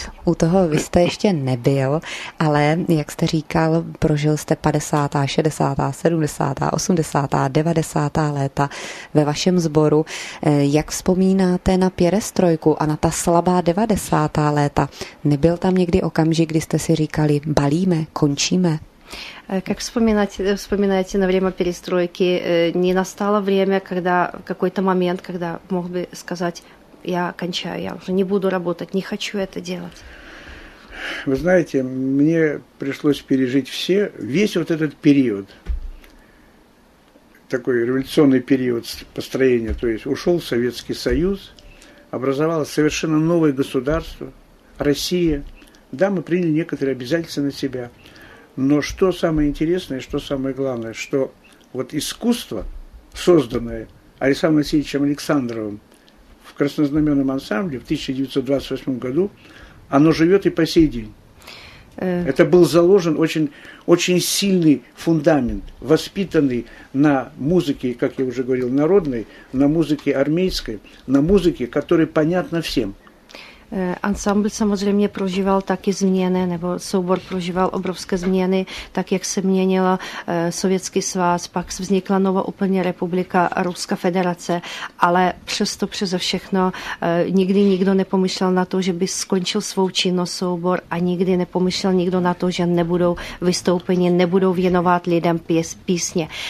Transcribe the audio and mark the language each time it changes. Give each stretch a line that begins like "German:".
Czech: U toho vy jste ještě nebyl, ale jak jste říkal, prožil jste 50., 60., 70., 80., 90. léta ve vašem sboru. Jak vzpomínáte na pěrestrojku a na ta slabá 90. léta? Nebyl tam někdy okamžik, kdy jste si říkali, balíme, končíme?
Russian: Как вспоминаете на время перестройки, не настало время, когда какой-то момент, когда мог бы сказать, я кончаю, я уже не буду работать, не хочу это делать? Вы знаете, мне пришлось пережить все, весь вот этот период, такой революционный период построения, то есть ушел Советский Союз, образовалось совершенно новое государство, Россия. Да, мы приняли некоторые обязательства на себя. Но что самое интересное, что самое главное, что вот искусство, созданное Александром Васильевичем Александровым в краснознаменном ансамбле в 1928 году, оно живет и по сей день. Это был заложен очень, очень сильный фундамент, воспитанный на музыке, как я уже говорил, народной, на музыке армейской, на музыке, которая понятна всем.
Czech: Ансамбль samozřejmě prožíval taky změny, nebo soubor prožíval obrovské změny, tak jak se měnila Sovětský svaz, pak vznikla nová úplně republika Ruská federace, ale přesto přeze všechno nikdy nikdo nepomyšlel na to, že by skončil svou činnost soubor a nikdy nepomyšlel nikdo na to, že nebudou vystoupeni, nebudou věnovat lidem písně.